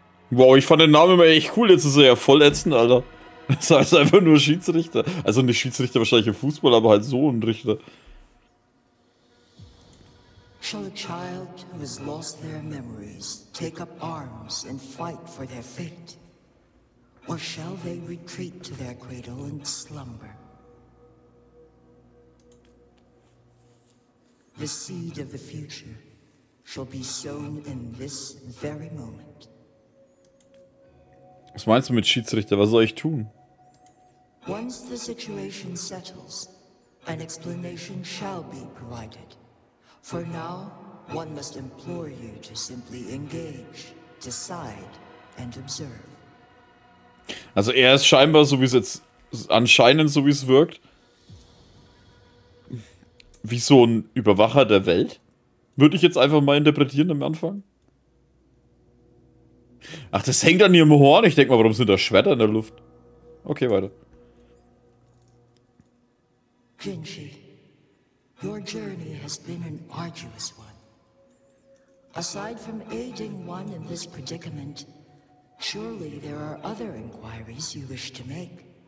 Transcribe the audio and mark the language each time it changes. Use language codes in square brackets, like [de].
[de] Wow, ich fand den Namen immer echt cool. Jetzt ist er ja voll ätzend, Alter. Das heißt einfach nur Schiedsrichter. Also nicht Schiedsrichter wahrscheinlich im Fußball, aber halt so ein Richter. [en] Shall a child who has lost their memories take up arms and fight for their fate? Or shall they retreat to their cradle and slumber? The seed of the future shall be sown in this very moment. [de] Was meinst du mit Schiedsrichter? Was soll ich tun? [en] Once the situation settles, an explanation shall be provided. For now, one must implore you to simply engage, decide and observe. [de] Also er ist scheinbar, so wie es jetzt anscheinend, so wie es wirkt, wie so ein Überwacher der Welt. Würde ich jetzt einfach mal interpretieren am Anfang? Ach, das hängt an ihrem Horn. Ich denke mal, warum sind da Schwerter in der Luft? Okay, weiter. [en] Jinji, your journey has been an arduous one. Aside from aiding one in this predicament, surely there are other inquiries you wish to make.